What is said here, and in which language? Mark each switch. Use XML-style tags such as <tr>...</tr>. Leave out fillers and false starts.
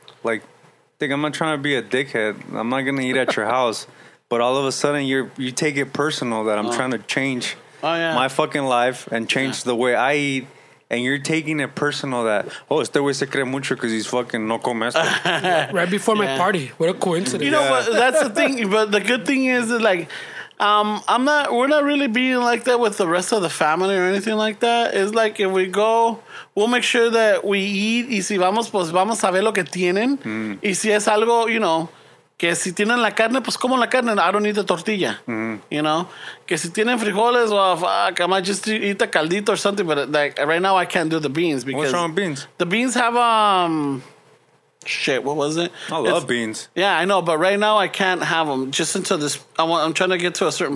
<en>Like, think, I'm not trying to be a dickhead, I'm not gonna eat at your house, but all of a sudden you take it personal that I'm trying to change my fucking life and change the way I eat, and you're taking it personal that, oh,</en> <es>este güey se cree mucho</es> <en>because he's fucking</en> <es>no come esto.</es> <en>Right before my party. What a coincidence. You know what? That's the thing, but the good thing is that, like, we're not really being like that with the rest of the family or anything like that. It's like, if we go, we'll make sure that we eat.</en> <es>Y si vamos, pues vamos a ver lo que tienen. Y si es algo, you know, que si tienen la carne, pues como la carne.</es> <en>I don't need the tortilla. You know,</en> <es>que si tienen frijoles,</es> <en>well, fuck, I might just eat a caldito or something. But like right now I can't do the beans. Because what's wrong with beans? The beans have, shit, what was it? I love beans. Yeah, I know, but right now I can't have them. Just until this, I'm trying to get to a certain</en>